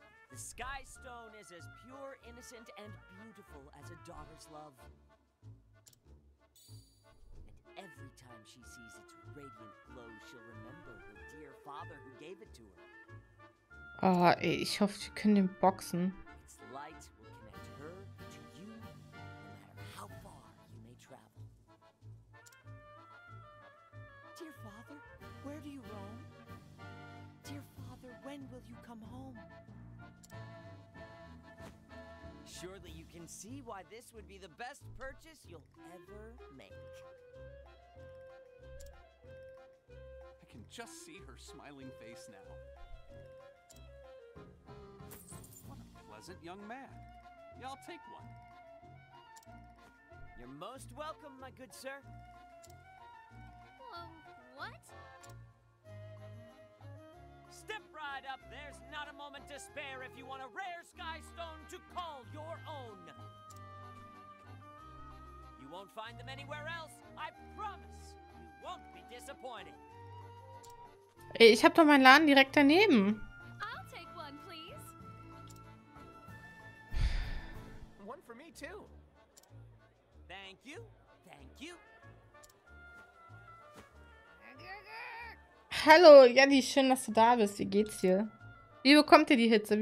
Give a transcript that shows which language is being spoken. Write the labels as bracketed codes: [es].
[en] The Sky Stone is as pure, innocent, and beautiful as a daughter's love. And every time she sees its radiant glow, she'll remember her dear father who gave it to her. [de] Oh, ich hoffe, wir können den boxen. [en] Its light will connect her to you, no matter how far you may travel. Dear father, where do you roam? Dear father, when will you come home? Surely you can see why this would be the best purchase you'll ever make. I can just see her smiling face now. What a pleasant young man. Yeah, I'll take one. You're most welcome, my good sir. What? Step right up. There's not a moment to spare if you want a rare sky stone to call your own. You won't find them anywhere else. I promise. You won't be disappointed. [de] Ich hab doch meinen Laden direkt daneben. [en] I'll take one, please. One for me too. Thank you. Thank you. [de] Hallo, Jenny, schön, dass du da bist. Wie geht's dir? Wie bekommt ihr die Hitze?